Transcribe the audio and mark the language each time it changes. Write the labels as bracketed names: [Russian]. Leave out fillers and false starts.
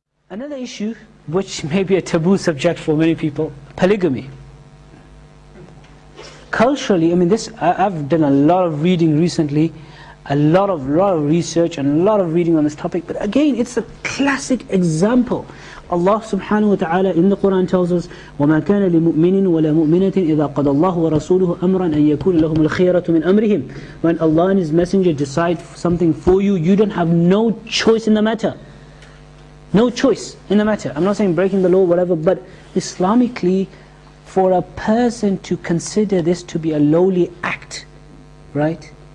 [English] Another issue, which may be a taboo subject for many people, polygamy. Culturally, I mean, this, I've done a lot of reading recently. a lot of research and a lot of reading on this topic. But again, it's a classic example. [Arabic] Allah subhanahu wa ta'ala in the Quran tells us, وَمَا كَانَ لِمُؤْمِنٍ وَلَا مُؤْمِنَةٍ إِذَا قَدَ اللَّهُ وَرَسُولُهُ أَمْرًا أَنْ يَكُونَ لَهُمُ الْخِيَرَةُ مِنْ أَمْرِهِمْ. [English] When Allah and His Messenger decide something for you, you don't have no choice in the matter. No choice in the matter. I'm not saying breaking the law, whatever, but Islamically, for a person to consider this to be a lowly act, right?